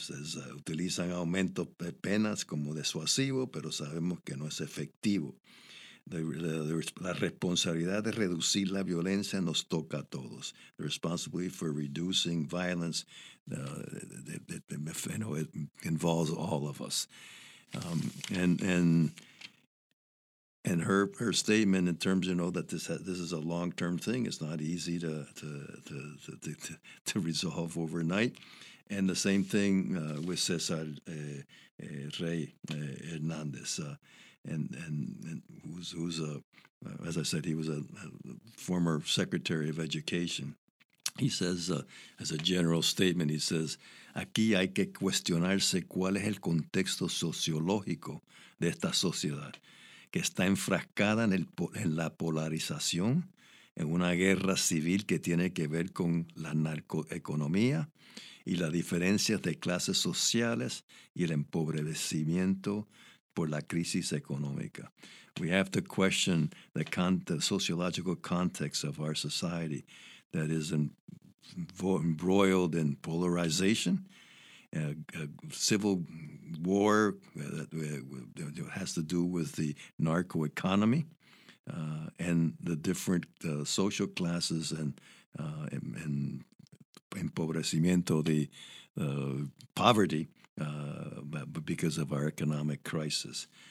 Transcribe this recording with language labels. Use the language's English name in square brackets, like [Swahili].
[Spanish] Says utilizan aumento de penas como disuasivo, pero sabemos que no es efectivo. La responsabilidad de reducir la violencia nos toca a todos. [English] The responsibility for reducing violence it involves all of us. And her statement in terms, you know, that this is a long term thing. It's not easy to resolve overnight. And the same thing with Cesar Rey Hernandez, and who's as I said, he was a former Secretary of Education. He says, as a general statement, he says, [Spanish] aquí hay que cuestionarse cuál es el contexto sociológico de esta sociedad que está enfrascada en la polarización, en una guerra civil que tiene que ver con la narcoeconomía y las diferencias de clases sociales y el empobrecimiento por la crisis económica. [English] We have to question the sociological context of our society that is embroiled in polarization, civil war that has to do with the narco-economy, and the different social classes and empobrecimiento, the poverty, because of our economic crisis.